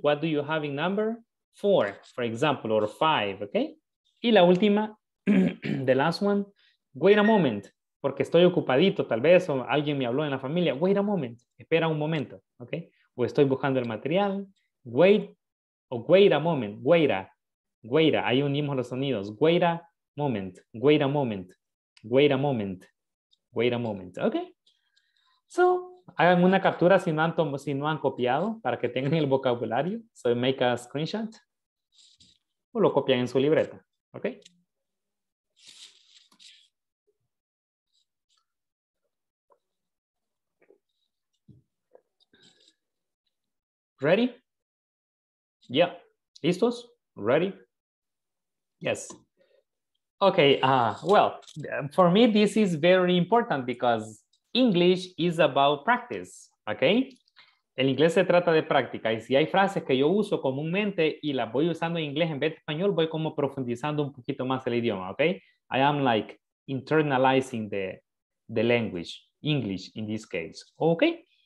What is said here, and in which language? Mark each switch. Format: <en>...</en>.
<en>What do you have in number four, for example, or five, okay?</en> <es>Y la última,</es> <en>the last one. Wait a moment,</en> <es>porque estoy ocupadito, tal vez, o alguien me habló en la familia.</es> <en>Wait a moment,</en> <es>espera un momento, ¿ok? O estoy buscando el material.</es> <en>Wait a moment.</en> <es>Ahí unimos los sonidos.</es> <en>Wait a moment. ¿Ok?</en> <es>So, hagan una captura si no han copiado, para que tengan el vocabulario. So,</es> <en>make a screenshot.</en> <es>O lo copian en su libreta, ¿ok?</es> <en>Ready? Yeah. ¿Listos? Ready? Yes. Okay. Well, for me, this is very important because English is about practice, okay?</en> <es>El inglés se trata de práctica, y si hay frases que yo uso comúnmente y las voy usando en inglés en vez de español, voy como profundizando un poquito más el idioma, okay?</es> <en>I am like internalizing the language, English in this case, okay?</en>